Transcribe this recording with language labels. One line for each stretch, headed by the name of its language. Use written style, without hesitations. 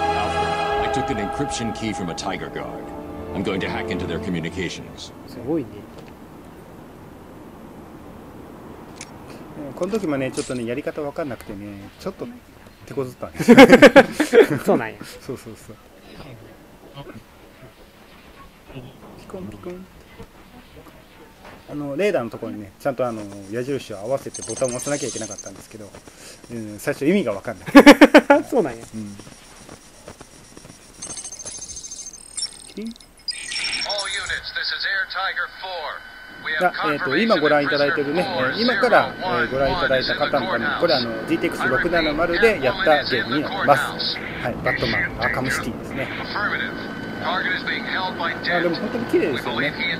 English: Alfred, I took an encryption key from a tiger guard. I'm going to hack into their communications.
Japanese: すごいね。この時もね、ちょっとね、やり方分かんなくてね、ちょっと手こずったんですよ。そうなんや。そうそうそう。ピコンピコン。レーダーのところにね、ちゃんと矢印を合わせてボタンを押さなきゃいけなかったんですけど、最初意味が分かんない。 そうなんや。
English: All units, this is Air Tiger 4.
Japanese: 今ご覧いただいているね、今から、ご覧いただいた方のために、これは GTX670 でやったゲームになります。はい、バットマン、アーカムシティですね。あ、でも本当に綺麗ですよね。